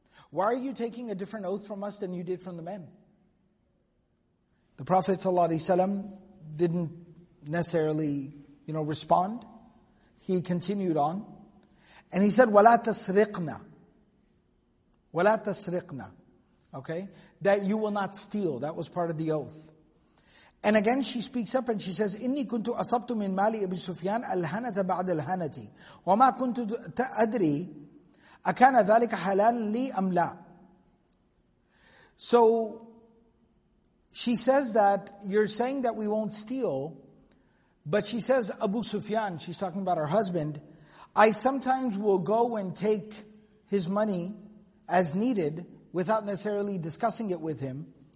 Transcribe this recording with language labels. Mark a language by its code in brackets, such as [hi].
[en] Why are you taking a different oath from us than you did from the men? The Prophet ﷺ didn't necessarily, you know, respond. He continued on. And he said, [ar] وَلَا تَسْرِقْنَا. وَلَا تَسْرِقْنَا. [en] Okay? That you will not steal. That was part of the oath. And again she speaks up and she says, [ar] إِنِّي كُنْتُ أَصَبْتُ مِنْ مَالِ أَبِي سُفْيَانَ الْهَنَةَ بَعْدَ الْهَنَةِ وَمَا كُنْتُ تَأَدْرِي أَكَانَ ذَلِكَ حَلَالًا لِي أَمْ لَا. [en] So she says that you're saying that we won't steal, but she says, Abu Sufyan, she's talking about her husband, I sometimes will go and take his money as needed without necessarily discussing it with him.